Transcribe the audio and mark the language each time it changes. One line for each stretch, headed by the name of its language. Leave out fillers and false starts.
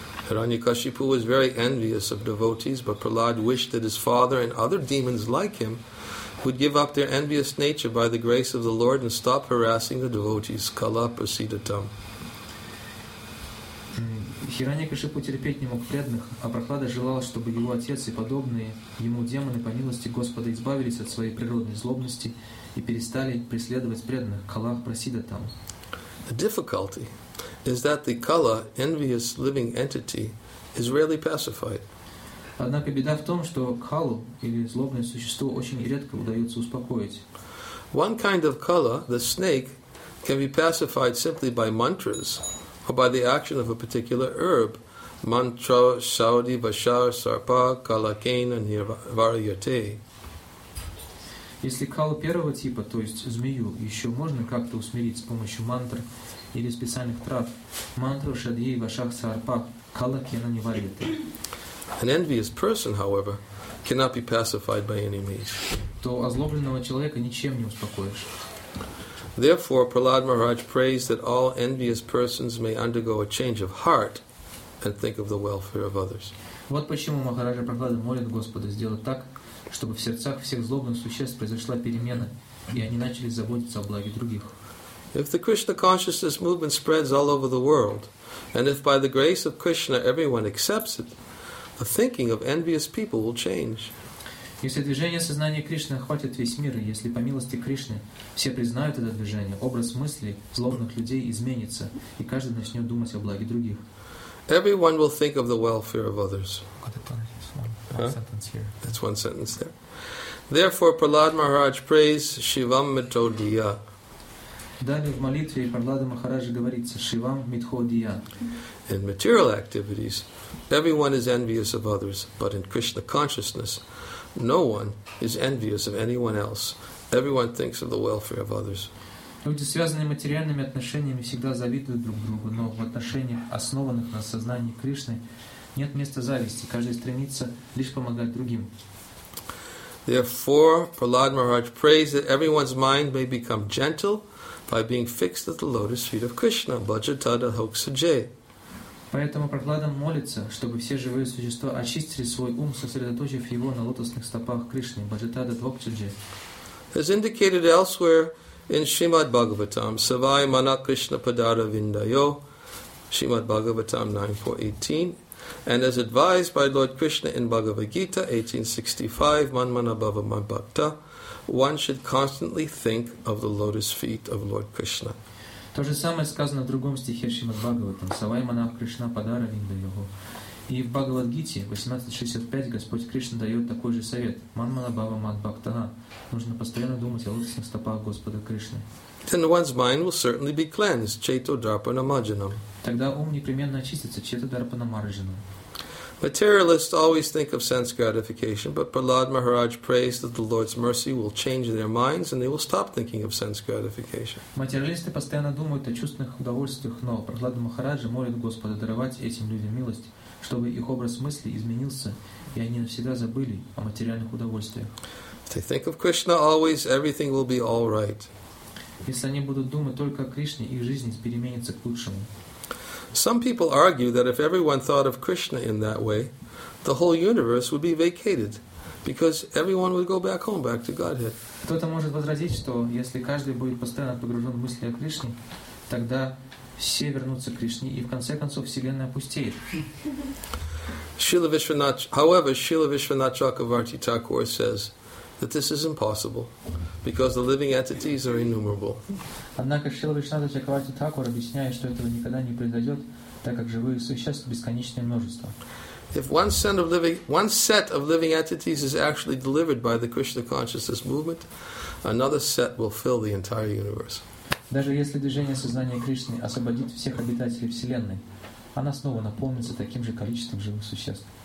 English: Hiranyakashipu was very envious of devotees, but Prahlad wished that his father and other demons like him would give up their envious nature by the grace of the Lord and stop harassing the devotees.
Sanskrit: Kala prasidatam.
Russian: Хиранья-Кашипу терпеть не мог преданных, а Прохлада желал, чтобы его отец и подобные ему демоны по милости Господа избавились от своей природной злобности и перестали преследовать преданных.
Sanskrit: Kala prasidatam.
English: The difficulty is that the Kala, envious living entity, is rarely pacified.
Russian: Однако беда в том, что Калу, или злобное существо, очень редко удается успокоить.
English: One kind of Kala, the snake, can be pacified simply by mantras, or by the action of a particular herb.
Sanskrit: Mantra, Shaudi, Vashar, Sarpa, Kala, Kena, Nirvarayate.
Russian: Если Калу первого типа, то есть змею, еще можно как-то усмирить с помощью мантр, или специальных трав.
Sanskrit: Мантру шадьи вашах сарпах калакена не варьете.
English: An envious person, however, cannot be pacified by any means.
Russian: То озлобленного человека ничем не успокоишь.
English: Therefore, Prahlad Maharaj prays that all envious persons may undergo a change of heart and think of the welfare of others.
Russian: Вот почему Махараджа Прохлада молит Господа сделать так, чтобы в сердцах всех злобных существ произошла перемена, и они начали заботиться о благе других.
English: If the Krishna consciousness movement spreads all over the world, and if by the grace of Krishna everyone accepts it, the thinking of envious people will change.
Russian: Если движение сознания Кришны охватит весь мир, и если по милости Кришны все признают это движение, образ мыслей злобных людей изменится, и каждый начнет думать о благе других.
English: Everyone will think of the welfare of others. That's one sentence there. Therefore, Prahlad Maharaj prays
Sanskrit: Shivam Mitodiya.
Russian: Далее в молитве Прохлада Махараджа говорится
Sanskrit: «Шивам Митхо Дия».
English: In material activities, everyone is envious of others, but in Krishna consciousness, no one is envious of anyone else. Everyone thinks of the welfare of others.
Russian: Люди, связанные материальными отношениями, всегда завидуют друг другу, но в отношениях, основанных на сознании Кришны, нет места зависти. Каждый стремится лишь помогать другим.
English: Therefore, Прохлад Махарадж prays that everyone's mind may become gentle by being fixed at the lotus feet of Krishna,
Sanskrit: Bhajatada Hoksajay.
Russian: Поэтому Прохлада молится, чтобы все живые существа очистили свой ум, сосредоточив его на лотосных стопах Кришны,
Sanskrit: Bhajatada Hoksajay.
English: As indicated elsewhere in Srimad Bhagavatam,
Sanskrit: Savai Mana Krishna Padara Vindayo,
English: Srimad Bhagavatam 9.4.18, and as advised by Lord Krishna in Bhagavad Gita 18.65,
Sanskrit: Man Mana Bhava Man Bhakta,
English: one should constantly think of the lotus feet of Lord Krishna.
Russian: То же самое сказано в другом стихе Шримад Бхагаватам.
Sanskrit: Савай манах Кришна падара винда йогу.
Russian: И в Бхагавадгите 18.65 Господь Кришна дает такой же совет.
Sanskrit: Ман мана бхава мат бхактаха.
Russian: Нужно постоянно думать о лотосных стопах Господа Кришны.
English: Then one's mind will certainly be cleansed,
Sanskrit: чето дарпана марджанам.
Russian: Тогда ум непременно очистится,
Sanskrit: чето дарпана марджанам.
English: Materialists always think of sense gratification, but Prahlad Maharaj prays that the Lord's mercy will change their minds and they will stop thinking of sense gratification.
Russian: Материалисты постоянно думают о чувственных удовольствиях, но Прохлада Махараджа молит Господа даровать этим людям милость, чтобы их образ мысли изменился, и они навсегда забыли о материальных удовольствиях.
English: If they think of Krishna always, everything will be all right.
Russian: Если они будут думать только о Кришне, их жизнь переменится к лучшему.
English: Some people argue that if everyone thought of Krishna in that way, the whole universe would be vacated, because everyone would go back home, back to Godhead.
Russian: Кто-то может возразить, что если каждый будет постоянно погружен в мысли о Кришне, тогда все вернутся к Кришне, и в конце концов Вселенная опустеет.
English: However, Srila Vishwanath Chakravarti Thakur says, that this is impossible because the living entities are innumerable.
Russian: Однако Шрила Вишнава Чакраварти Тхакур объясняет, что этого никогда не произойдет, так как живые существа бесконечное множество.
English: If one set of living entities is actually delivered by the Krishna consciousness movement, another set will fill the entire universe.
Russian: Даже если движение сознания Кришны освободит всех обитателей вселенной, она снова наполнится таким же количеством живых существ.